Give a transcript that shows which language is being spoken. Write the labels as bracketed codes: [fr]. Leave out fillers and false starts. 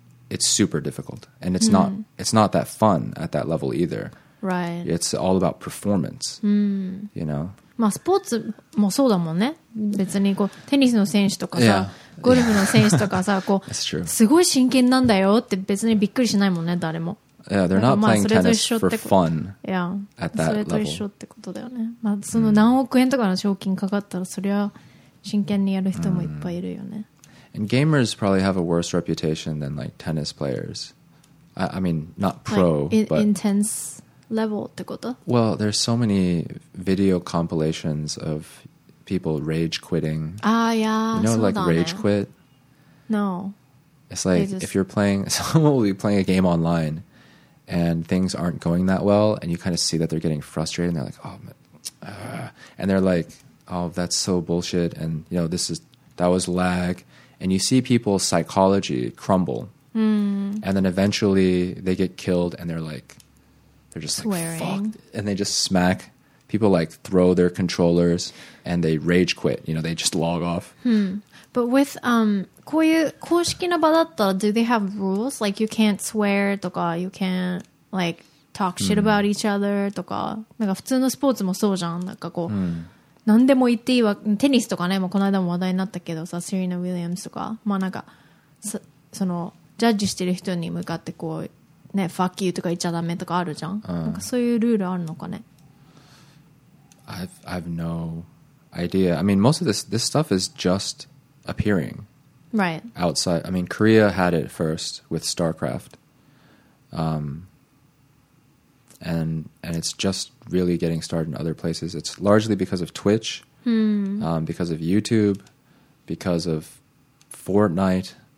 [en] It's super difficult, and it's not that fun at that level either. Right. It's all about performance. You know. [ja] まあスポーツもそうだもんね。別にこうテニスの選手とかさ、ゴルフの選手とかさ、こうすごい真剣なんだよって別にびっくりしないもんね、誰も。 [en] Yeah, they're not playing tennis for fun. Yeah. At that level. [ja] それと一緒ってことだよね。まあその何億円とかの賞金かかったら、それは真剣にやる人もいっぱいいるよね。 [en] And gamers probably have a worse reputation than like tennis players. I mean, not pro, like, but intense level [ja] ってこと? [en] Well, there's so many video compilations of people rage quitting. Ah, yeah, you know, like rage quit. No, it's like if you're playing, someone will be playing a game online, and things aren't going that well, and you kind of see that they're getting frustrated, and they're like, oh, and they're like, oh, that's so bullshit, and you know, that was lag. And you see people's psychology crumble. Mm. And then eventually they get killed and they're like, they're just swearing. Like, fuck. And they just smack. People like throw their controllers and they rage quit. You know, they just log off. Hmm. But with, [ja] こういう公式な場だったら, [en] do they have rules? Like you can't swear とか, you can't like talk shit about each other とか。 [ja] なんか普通のスポーツもそうじゃん。なんかこう。 Mm. 何でも言っていいわ。テニスとかね、もうこの間も話題になったけどさ、セリーナ・ウィリアムズとか、まあなんか、そのジャッジしてる人に向かってこうね、 [en] fuck you [ja] とか言っちゃダメとかあるじゃん。なんかそういうルールあるのかね。 [en] I've no idea. I mean, most of this stuff is just appearing. Right. Outside. I mean, Korea had it first with StarCraft. And it's just really getting started in other places. It's largely because of Twitch, because of YouTube, because of Fortnite.